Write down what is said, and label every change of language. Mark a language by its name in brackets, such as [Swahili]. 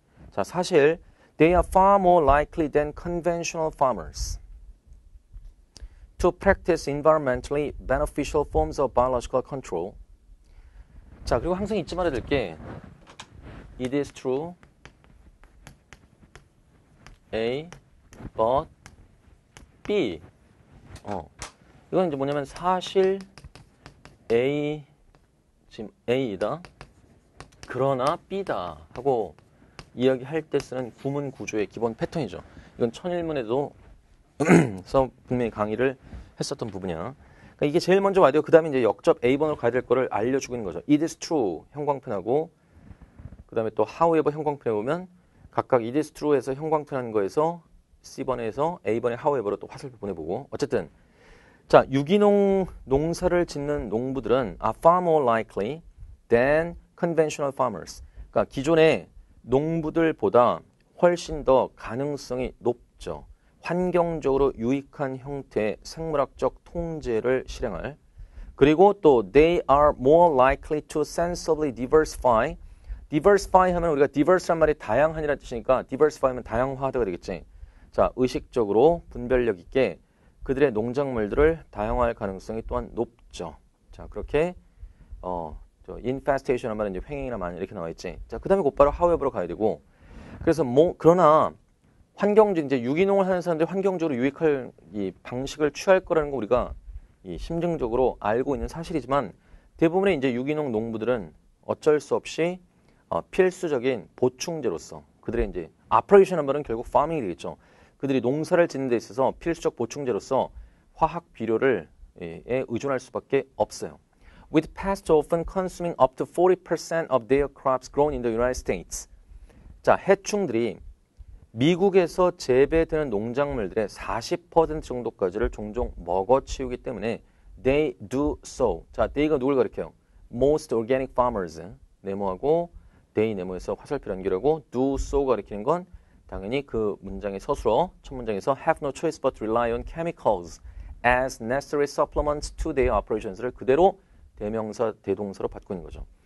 [Korean] 자, 사실 [English] they are far more likely than conventional farmers to practice environmentally beneficial forms of biological control. [Korean] 자, 그리고 항상 잊지 말아야 될 게. [English] It is true. A, but B. [Korean] 이건 이제 뭐냐면 사실 A, 지금 A이다. 그러나 B다. 하고 이야기할 때 쓰는 구문 구조의 기본 패턴이죠. 이건 천일문에도 써 분명히 강의를 했었던 부분이야. 그러니까 이게 제일 먼저 와야 돼요. 그 다음에 이제 역접 A번으로 가야 될 거를 알려주고 있는 거죠. [English] It is true. [Korean] 형광펜하고. 그 다음에 또 however 형광펜에 보면 각각 it is true에서 형광펜 한 거에서 C번에서 A번에 however로 또 화살표 보내보고 어쨌든 자 유기농 농사를 짓는 농부들은 [English] are far more likely than conventional farmers. [Korean] 그러니까 기존의 농부들보다 훨씬 더 가능성이 높죠. 환경적으로 유익한 형태의 생물학적 통제를 실행할. 그리고 또 [English] they are more likely to sensibly diversify. [Korean] diversify 하면 우리가 diverse란 말이 다양한이라는 뜻이니까 diversify 하면 다양화하다가 되겠지. 자, 의식적으로 분별력 있게 그들의 농작물들을 다양화할 가능성이 또한 높죠. 자, 그렇게 infestation 하면 이제 횡행이나 많이 이렇게 나와 있지. 자, 그다음에 곧바로 however로 가야 되고. 그래서 뭐 그러나 환경적 이제 유기농을 하는 사람들 환경적으로 유익할 이 방식을 취할 거라는 거 우리가 이 심증적으로 알고 있는 사실이지만 대부분의 이제 유기농 농부들은 어쩔 수 없이 필수적인 보충제로서 그들의 이제 operation 한번은 결국 farming이 되겠죠. 그들이 농사를 짓는 데 있어서 필수적 보충제로서 화학 비료를 에 의존할 수밖에 없어요. [English] With pests often consuming up to 40% of their crops grown in the United States. [Korean] 자, 해충들이 미국에서 재배되는 농작물들의 40% 정도까지를 종종 먹어치우기 때문에 [English] they do so. [Korean] 자, they가 누굴 가리켜요? [English] Most organic farmers. [Korean] 네모하고 they 네모에서 화살표 연결하고 do so 가리키는 건 당연히 그 문장의 서술어 첫 문장에서 [English] have no choice but rely on chemicals as necessary supplements to their operations [Korean] 를 그대로 대명사, 대동사로 바꾸는 있 거죠.